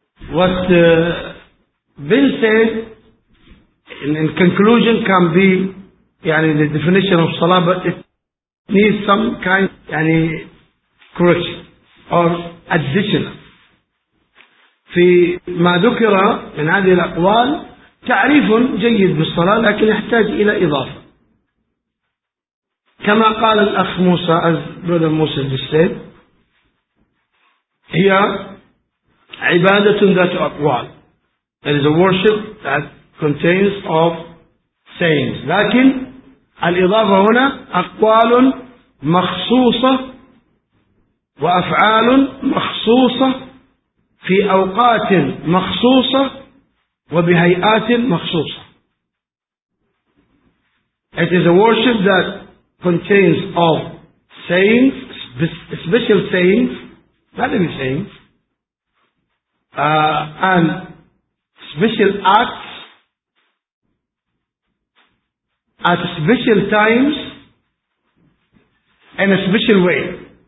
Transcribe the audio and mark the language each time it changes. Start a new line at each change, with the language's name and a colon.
English: What Bin said in conclusion can be يعني, the definition of Salah, but it needs some kind يعني, correction or addition.
Arabic: في ما ذكر من هذه الأقوال تعريف جيد بالصلاة لكن يحتاج إلى إضافة. كما قال الأخ موسى
English: as brother Musa just said
Arabic: هي عبادة ذات أقوال.
English: It is a worship that contains of sayings.
Arabic: لكن الإضافة هنا أقوال مخصوصة وأفعال مخصوصة في أوقات مخصوصة وبهيئات مخصوصة.
English: It is a worship that contains of sayings, special sayings, not any sayings, and special acts at special times in a special way.